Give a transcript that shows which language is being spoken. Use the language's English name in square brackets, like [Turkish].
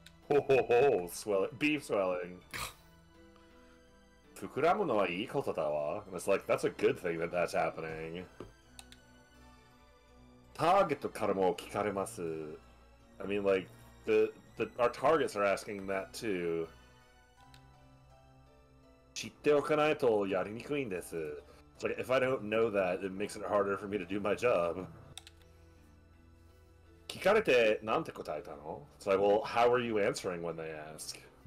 [English] Ho ho ho, swelling. Beef swelling. [Japanese] Fukuramu no wa ii koto da wa. [English] And it's like, that's a good thing that that's happening. [Japanese] Target からも聞かれます. [English] I mean, like our targets are asking that too. [Japanese] 知っておかないとやりにくいんです. [English] It's like if I don't know that, it makes it harder for me to do my job. [Japanese] 聞かれてなんて答えたの? [English] It's like, well, how are you answering when they ask?